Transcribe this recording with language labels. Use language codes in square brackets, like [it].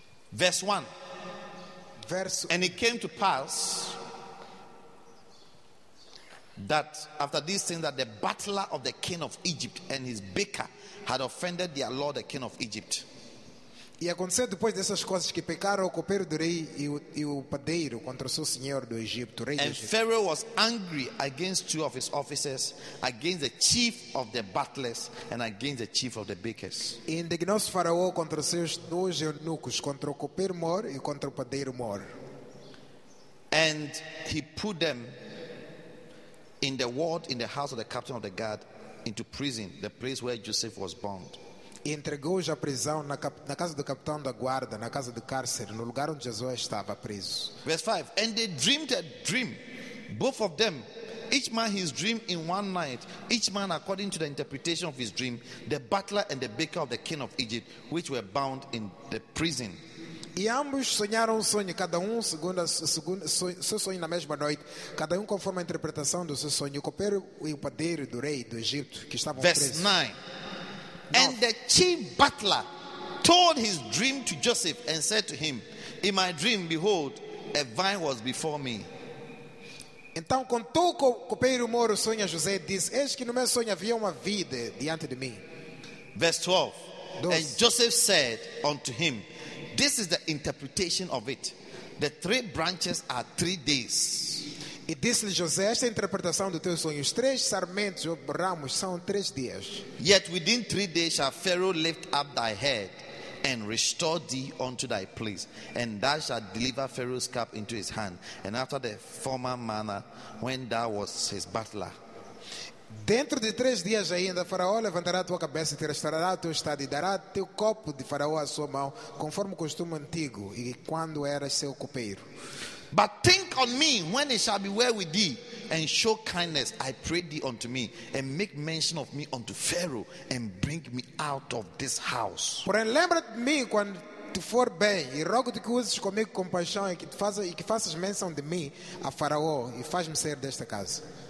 [en] Verse 1. Verse. And it came to pass that after this thing, that the butler of the king of Egypt and his baker had offended their lord, the king of Egypt. [pt] E aconteceu depois dessas coisas que pecaram o copeiro do rei e o padeiro contra o seu senhor do Egito, rei. [en] And Pharaoh was angry against two of his officers, against the chief of the butlers and against the chief of the bakers. [pt] E indignou-se Faraó contra os seus dois eunucos, contra o copeiro mor e contra o padeiro mor. [en] And he put them in the ward, in the house of the captain of the guard, into prison, the place where Joseph was bound. [pt] E entregou-os à prisão na casa do capitão da guarda, na casa do cárcere, no lugar onde Jesus estava preso. [en] Verse 5. And they dreamed a dream, both of them, each man his dream in one night, each man according to the interpretation of his dream, the butler and the baker of the king of Egypt, which were bound in the prison. [pt] E ambos sonharam um sonho, cada um segundo seu sonho na mesma noite, cada um conforme a interpretação do seu sonho, o copeiro e o padeiro do rei do Egito, que estavam [en] Verse Verse 9. And the chief butler told his dream to Joseph and said to him, in my dream, behold, a vine was before me. [pt] Então contou o copeiro moro o sonho a José e disse, eis que no meu sonho havia uma vida diante de mim. [en] Verse 12. 12. And Joseph said unto him, this is the interpretation of it. The three branches are 3 days. [pt] E disse-lhe José, esta é a interpretação do teu sonho. Os três sarmentos ou ramos são 3 dias. [en] Yet within 3 days shall Pharaoh lift up thy head and restore thee unto thy place. And thou shalt deliver Pharaoh's cup into his hand. And after the former manner, when thou was his butler. [pt] Dentro de 3 dias ainda, Faraó levantará a tua cabeça e te restaurará o teu estado e dará teu copo de Faraó à sua mão, conforme o costume antigo e quando eras seu copeiro. [en] But think on me when it shall be well with thee, and show kindness, I pray thee, unto me, and make mention of me unto Pharaoh, and bring me out of this house. [pt] Porém, lembra-te-me quando tu for bem, e rogo-te que uses comigo compaixão, e que faças menção de mim a Faraó, e faz-me sair desta casa.